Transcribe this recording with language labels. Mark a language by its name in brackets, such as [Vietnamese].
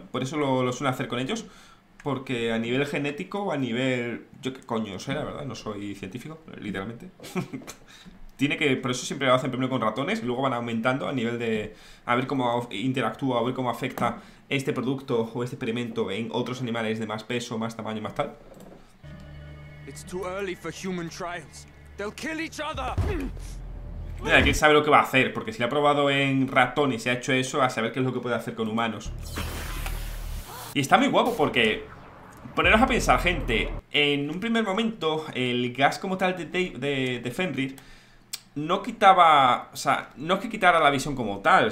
[Spanish] Por eso lo suelen hacer con ellos. Porque a nivel genético, a nivel... yo qué coño sé, la verdad, no soy científico, literalmente. Tiene que... por eso siempre lo hacen primero con ratones y luego van aumentando a nivel de... a ver cómo interactúa, a ver cómo afecta este producto o este experimento en otros animales de más peso, más tamaño, más tal. [English] It's too early for human trials. They'll kill each other. [Spanish] Mira, quién sabe lo que va a hacer, porque si lo ha probado en ratones y ha hecho eso, a saber qué es lo que puede hacer con humanos. Y está muy guapo porque, poneros a pensar, gente, en un primer momento el gas como tal de Fenrir no quitaba, o sea, no es que quitara la visión como tal.